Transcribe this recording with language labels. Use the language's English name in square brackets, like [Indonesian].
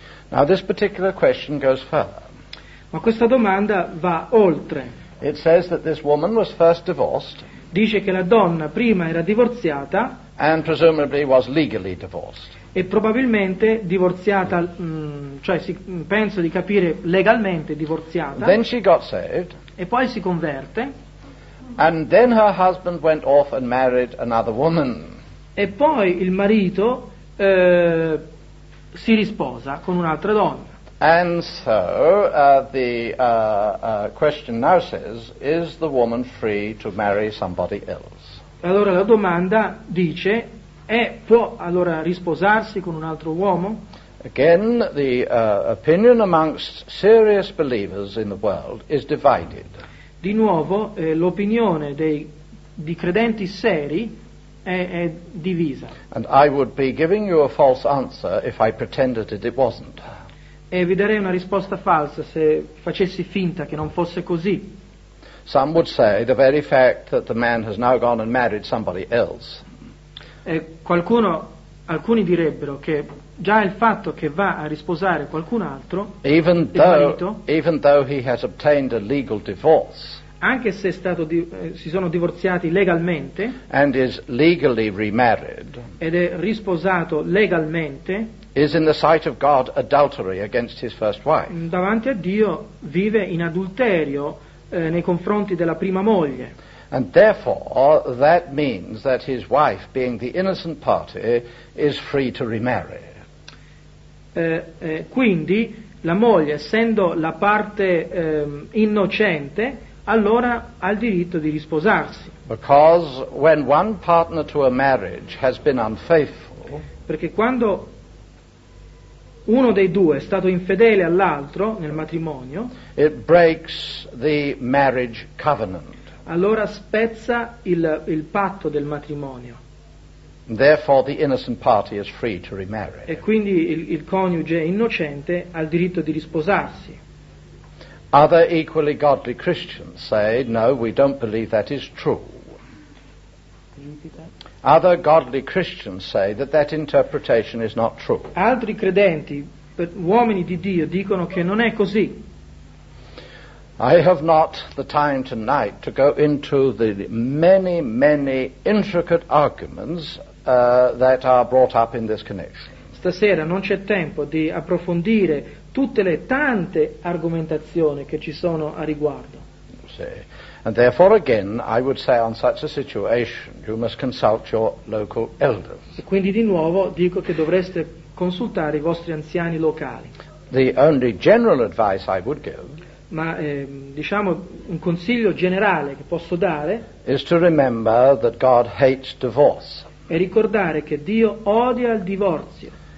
[English] Now this particular question goes further. [Italian] Ma questa domanda va oltre. [English] It says that this woman was first divorced. [Italian] Dice che la donna prima era divorziata. [English] And presumably was legally divorced. [Italian] E probabilmente divorziata, cioè penso di capire legalmente divorziata. [English] Then she got saved. [Italian] E poi si converte. [English] And then her husband went off and married another woman. [Italian] E poi il marito si risposa con un'altra donna. [English] And so question now says, is the woman free to marry somebody else? [Italian] Allora la domanda dice, può allora risposarsi con un altro uomo? [English] Again, the opinion amongst serious believers in the world is divided. [Italian] Di nuovo l'opinione di credenti seri è divisa. [English] And I would be giving you a false answer if I pretended that it wasn't. [Italian] E vi darei una risposta falsa se facessi finta che non fosse così. [English] Some would say the very fact that the man has now gone and married somebody else. [Italian] E alcuni direbbero che già il fatto che va a risposare qualcun altro, [English] even though he has obtained a legal divorce. [Italian] Anche se si sono divorziati legalmente, [English] and is legally remarried, [Italian] ed è risposato legalmente, [English] is in the sight of God adultery against his first wife. [Italian] Davanti a Dio vive in adulterio nei confronti della prima moglie. [English] And therefore that means that his wife, being the innocent party, is free to remarry. [Italian] Quindi la moglie, essendo la parte innocente, allora ha il diritto di risposarsi. [English] Because when one partner to a marriage has been unfaithful, [Italian] perché quando uno dei due è stato infedele all'altro nel matrimonio, [English] it breaks the marriage covenant. [Italian] Allora spezza il patto del matrimonio. [English] Therefore the innocent party is free to remarry. [Italian] E quindi il coniuge innocente ha il diritto di risposarsi. [English] Other equally godly Christians say, no, we don't believe that is true. Other godly Christians say that that interpretation is not true. [Italian] Altri credenti, uomini di Dio, dicono che non è così. [English] I have not the time tonight to go into the many, many intricate arguments that are brought up in this connection. [Italian] Stasera non c'è tempo di approfondire tutte le tante argomentazioni che ci sono a riguardo. Sì. [English] And therefore again I would say on such a situation you must consult your local elders. [Italian] E quindi di nuovo dico che dovreste consultare i vostri anziani locali. [English] The only general advice I would give, [Italian] ma diciamo un consiglio generale che posso dare, [English] is to remember that God hates divorce. [Italian] E ricordare che Dio odia il divorzio.